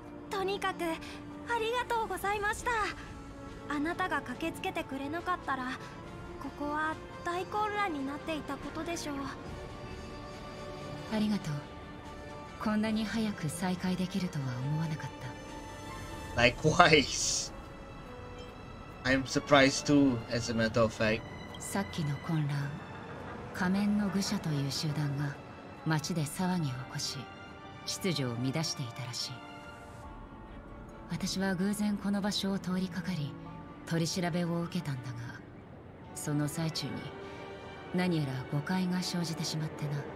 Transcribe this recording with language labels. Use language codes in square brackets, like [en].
[ja] とにかくありがとうございました。あなたが駆けつけてくれなかったら、ここは大混乱になっていたことでしょう。ありがとう。こんなに早く再会できるとは思わなかった。 [en] Likewise. I'm surprised too, as a matter of fact. [ja] さっきの混乱、仮面の愚者という集団が町で騒ぎを起こし、秩序を乱していたらしい。私は偶然この場所を通りかかり、取り調べを受けたんだが、その最中に何やら誤解が生じてしまってな。